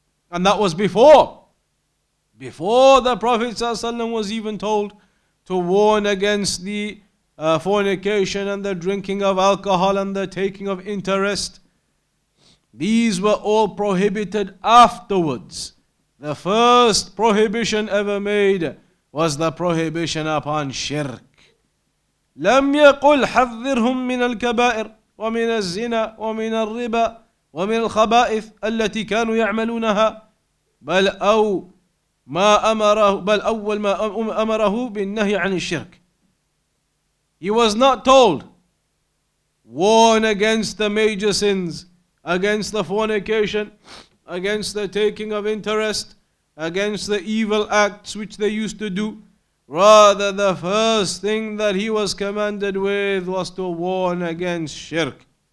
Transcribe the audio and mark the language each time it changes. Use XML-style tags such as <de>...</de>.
<en>And that was before the Prophet ﷺ was even told to warn against the fornication and the drinking of alcohol and the taking of interest. These were all prohibited afterwards. The first prohibition ever made was the prohibition upon shirk.</en> <ar>لم يقل حذرهم من الكبائر ومن الزنا ومن الربا ومن الخبائث التي كانوا يعملونها بل أول ما أمره بالنهي عن الشرك.</ar> <en>He was not told, warn against the major sins, against the fornication, against the taking of interest, against the evil acts which they used to do. Rather, the first thing that he was commanded with was to warn against shirk.</en>